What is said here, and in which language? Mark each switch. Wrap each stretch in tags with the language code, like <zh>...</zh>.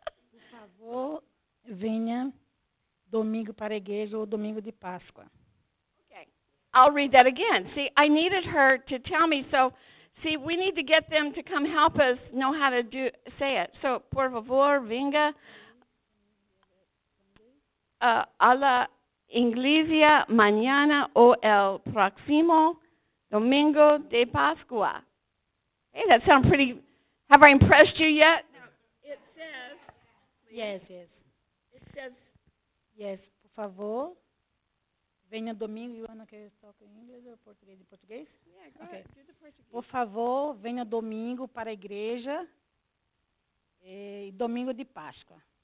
<pt>Por favor, venha domingo para a igreja ou domingo de Páscoa.</pt> <en>I'll read that again. See, I needed her to tell me. So, see, we need to get them to come help us know how to do say it.</en> <es>So, por favor, venga a la iglesia mañana o el próximo domingo de Pascua.</es> <en>Hey, that sounds pretty. Have I impressed you yet? No, it says. Please. Yes, yes. It says. Yes,</en> <es>por favor.</es> <pt>Venha domingo,</pt> <en>you want to talk in English or Portuguese? Yeah, go ahead. Okay. Do the Portuguese.</en> <pt>Por favor, venha domingo para a igreja e domingo de Páscoa.</pt>